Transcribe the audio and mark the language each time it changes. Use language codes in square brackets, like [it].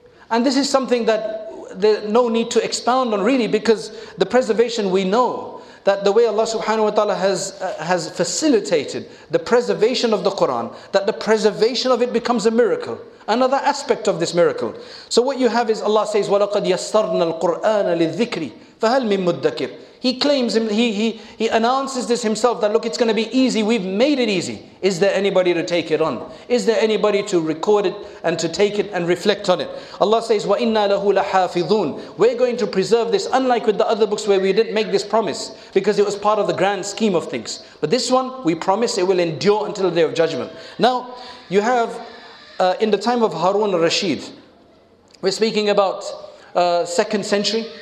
[en] And this is something that there's no need to expound on really, because the preservation, we know that the way Allah subhanahu wa ta'ala has facilitated the preservation of the Quran, that the preservation of it becomes a miracle, another aspect of this miracle. So what you have is Allah says, [ar] وَلَقَدْ يَسَّرْنَا الْقُرْآنَ لِلذِّكْرِ فَهَلْ مِن مُدَّكِرِ. [en] He claims, he announces this himself, that look, it's going to be easy, we've made it easy. Is there anybody to take it on? Is there anybody to record it and to take it and reflect on it? Allah says, [ar] وَإِنَّا لَهُ لَحَافِظُونَ. [en] We're going to preserve this, unlike with the other books where we didn't make this promise, because it was part of the grand scheme of things. But this one, we promise it will endure until the day of judgment. Now, you have, in the time of Harun al-Rashid, we're speaking about 2nd century.